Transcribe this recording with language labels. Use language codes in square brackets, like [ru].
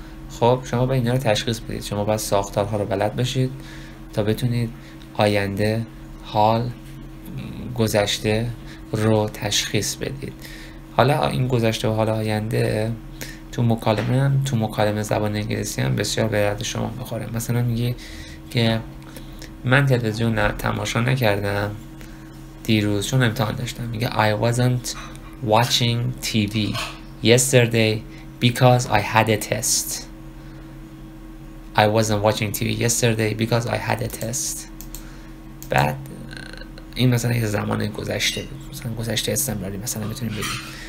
[fa] خب شما با اینا رو تشخیص بدید، شما باید ساختارها رو بلد بشید تا بتونید آینده، حال، گذشته رو تشخیص بدید. حالا این گذشته و حال آینده تو مکالمه زبان انگلیسی هم بسیار به درد شما بخوره. مثلا میگی که من تلویزیون تماشا نکردم دیروز چون امتحان داشتم. میگه [en] I wasn't watching TV yesterday because I had a test. I wasn't watching TV yesterday because I had a test. [fa] بعد این مثلا یه زمان گذشته، مثلا گذشته استمراری مثلا میتونیم بگیم.